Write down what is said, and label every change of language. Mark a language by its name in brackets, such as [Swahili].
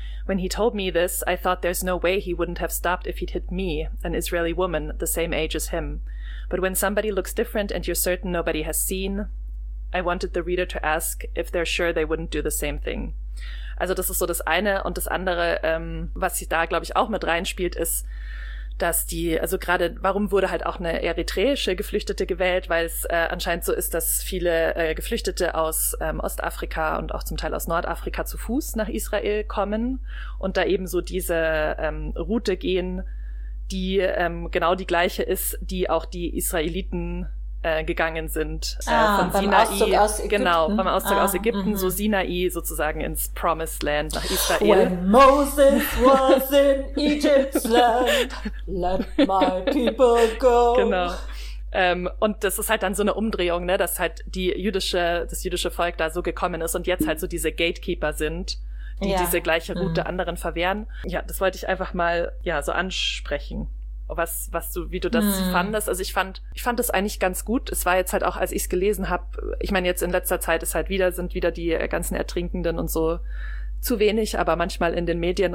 [English] When he told me this, I thought there's no way he wouldn't have stopped if he'd hit me, an Israeli woman, the same age as him. But when somebody looks different and you're certain nobody has seen, I wanted the reader to ask if they're sure they wouldn't do the same thing." [German] Also das ist so das eine. Und das andere, was da, glaube ich, auch mit reinspielt, ist, dass die, also gerade, warum wurde halt auch eine eritreische Geflüchtete gewählt? Weil es anscheinend so ist, dass viele Geflüchtete aus Ostafrika und auch zum Teil aus Nordafrika zu Fuß nach Israel kommen und da eben so diese Route gehen, die genau die gleiche ist, die auch die Israeliten gegangen sind. Von Sinai, beim Auszug aus Ägypten. Genau, beim Auszug aus Ägypten, so Sinai sozusagen ins Promised Land nach Israel. [English] When Moses was in Egypt's land, let my people go. [German] Genau. Und das ist halt dann so eine Umdrehung, ne, dass halt das jüdische Volk da so gekommen ist und jetzt halt so diese Gatekeeper sind, die diese gleiche Route anderen verwehren. Ja, das wollte ich einfach mal so ansprechen. Wie du das fandest. Also ich fand das eigentlich ganz gut. Es war jetzt halt auch, als ich es gelesen habe, ich meine, jetzt in letzter Zeit sind wieder die ganzen Ertrinkenden und so zu wenig, aber manchmal in den Medien.